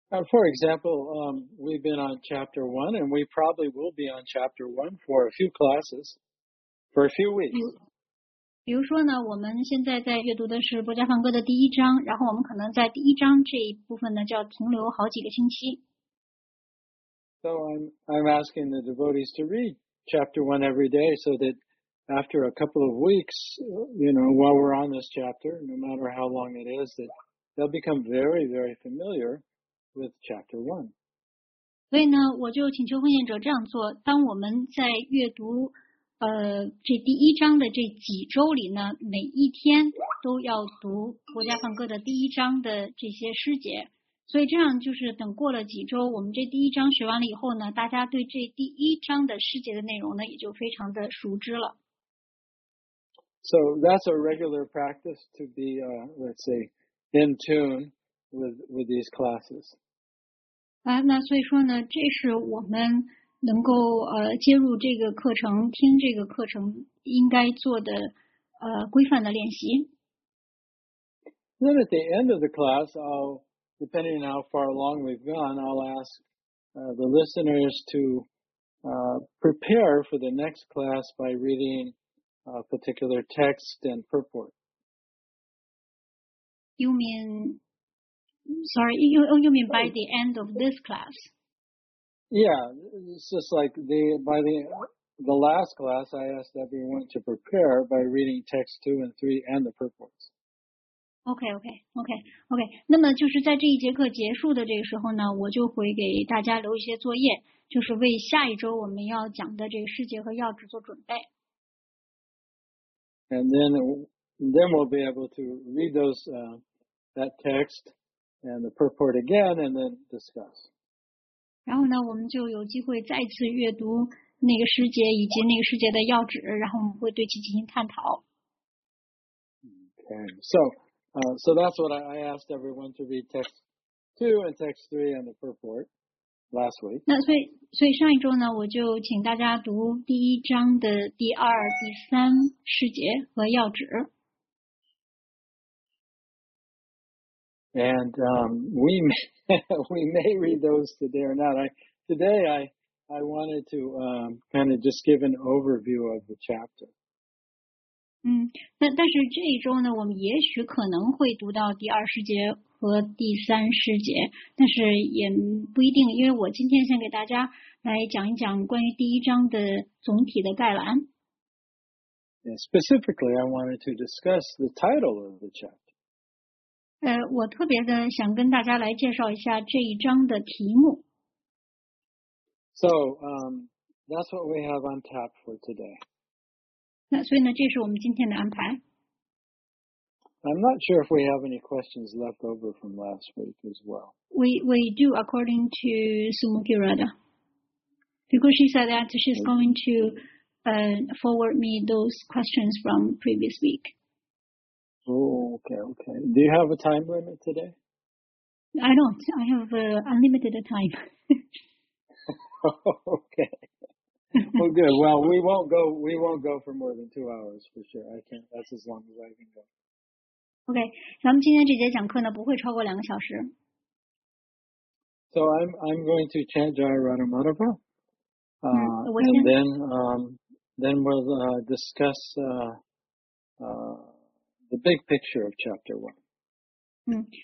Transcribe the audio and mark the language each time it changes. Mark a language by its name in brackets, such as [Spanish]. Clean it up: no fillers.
[English] For example, we've been on chapter 1 and we probably will be on chapter 1 for a few classes for a few weeks. [Chinese] 比如说呢，我们现在在阅读的是博迦梵歌的第一章，然后我们可能在第一章这一部分呢就要停留好几个星期。 [English] So I'm asking the devotees to read chapter 1 every day so that after a couple of weeks, while we're on this chapter, no matter how long it is, that they'll become very, very familiar with chapter 1. [Chinese] 所以呢，我就请求奉献者这样做，当我们在阅读这第一章的这几周里呢，每一天都要读博迦梵歌的第一章的这些诗节，所以这样就是等过了几周，我们这第一章学完了以后呢，大家对这第一章的诗节的内容呢，也就非常的熟知了。 [English] So that's a regular practice to be, in tune with these classes. [Chinese] 那所以说呢，这是我们能够接入这个课程、听这个课程应该做的规范的练习。 [English] Then at the end of the class, I'll, depending on how far along we've gone, I'll ask the listeners to prepare for the next class by reading a particular text and purport. You mean by the end of this class? Yeah, it's just like by the last class, I asked everyone to prepare by reading text 2 and 3 and the purports. Okay. [Chinese] 那么就是在这一节课结束的这个时候呢，我就会给大家留一些作业，就是为下一周我们要讲的这个师节和要旨做准备。 [English] And then we'll be able to read those, that text and the purport again and then discuss. [Chinese] 然后呢，我们就有机会再次阅读那个诗节以及那个诗节的要旨，然后我们会对其进行探讨。 [English] Okay, so that's what I asked everyone to read text 2 and text 3 and the purport last week. [Chinese] 那所以上一周呢，我就请大家读第一章的第二、第三诗节和要旨。 [English] And we may read those today or not. I wanted to kind of just give an overview of the chapter. [Chinese] 但是这一周呢，我们也许可能会读到第二十节和第三十节，但是也不一定，因为我今天先给大家来讲一讲关于第一章的总体的概览。 [English] Yeah, specifically, I wanted to discuss the title of the chapter. [Chinese] 我特别的想跟大家来介绍一下这一章的题目。 [English] So, that's what we have on tap for today. [Chinese] 那所以呢，这是我们今天的安排。 [English] I'm not sure if we have any questions left over from last week as well. We do, according to Sumo Girada. Because she said that she's going to forward me those questions from previous week. Oh, okay. Do you have a time limit today? I don't. I have unlimited time. Okay. Well, good. Well, we won't go for more than 2 hours for sure. I can't. That's as long as I can go. [Chinese] Okay, 咱们今天这节讲课呢不会超过两个小时。 [English] So I'm going to chant Jai Radha Madhava. And then we'll discuss the big picture of chapter one.